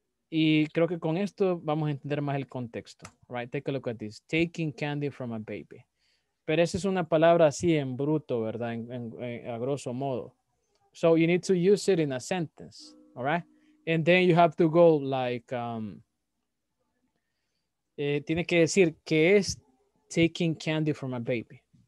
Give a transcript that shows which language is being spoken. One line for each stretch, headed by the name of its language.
Spanish: Y creo que con esto vamos a entender más el contexto. Right?
English: Take a look at this. Taking candy from a baby.
Spanish: Pero esa es una palabra así en bruto, ¿verdad? A grosso modo.
English: So you need to use it in a sentence. All right? And then you have to go like...
Spanish: tiene que decir que es
English: taking candy from a baby.